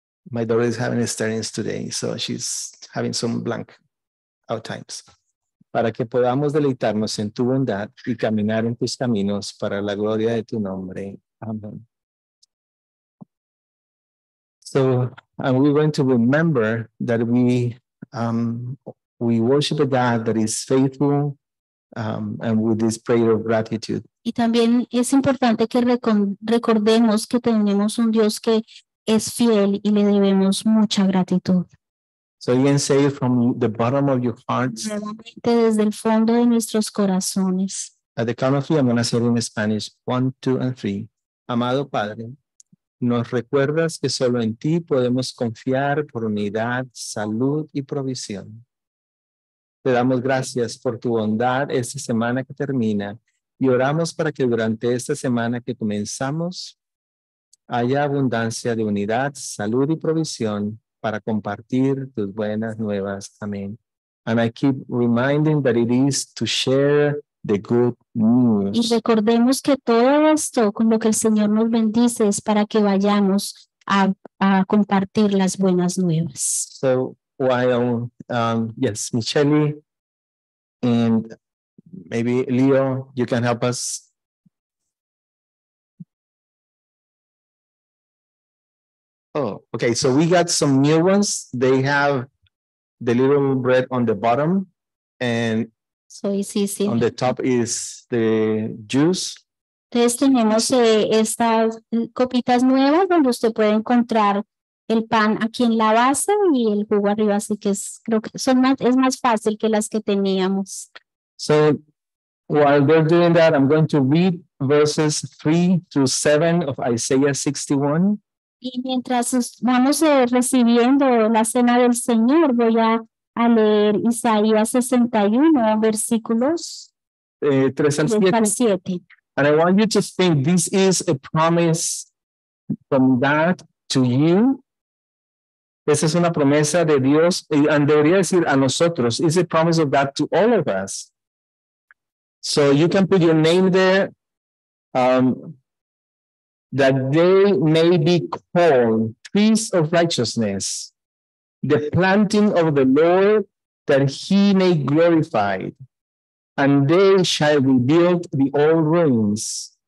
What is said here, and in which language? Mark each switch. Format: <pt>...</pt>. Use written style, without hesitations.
<en>My daughter is having hysterics today, so she's having some blank out times.</en> <es>Para que podamos deleitarnos en tu bondad y caminar en tus caminos para la gloria de tu nombre. Amen.</es> <en>So, and we're going to remember that we worship a God that is faithful and with this prayer of gratitude.</en> <es>Y también es importante que recordemos que tenemos un Dios que es fiel y le debemos mucha gratitud.</es> <en>So you can say it from the bottom of your hearts.</en> <es>Nuevamente desde el fondo de nuestros corazones.</es> <en>At the count of three, I'm going to say it in Spanish. 1, 2, and 3.</en> <es>Amado Padre, nos recuerdas que solo en ti podemos confiar por unidad, salud y provisión. Te damos gracias por tu bondad esta semana que termina y oramos para que durante esta semana que comenzamos haya abundancia de unidad, salud y provisión para compartir tus buenas nuevas. Amén.</es> <en>And I keep reminding that it is to share the good news.</en> <es>Y recordemos que todo esto con lo que el Señor nos bendice es para que vayamos a compartir las buenas nuevas.</es> <en>So while, yes, Michele and maybe Leo, you can help us. Oh, okay, so we got some new ones. They have the little bread on the bottom, and so it's easy. On the top is the juice.</en> <es>Entonces tenemos estas copitas nuevas donde usted puede encontrar el pan aquí en la base y el jugo arriba, así que es más fácil que las que teníamos.</es> <en>So while they're doing that, I'm going to read verses 3-7 of Isaiah 61.</en> <es>Y mientras vamos recibiendo la cena del Señor, voy a leer Isaías 61, versículos 3-7.</es> <en>And I want you to think this is a promise from God to you.</en> <es>Esa es una promesa de Dios, and debería decir a nosotros.</es> <en>It's a promise of God to all of us. So you can put your name there, that they may be called trees of righteousness, the planting of the Lord, that he may glorify, and they shall rebuild the old ruins.</en>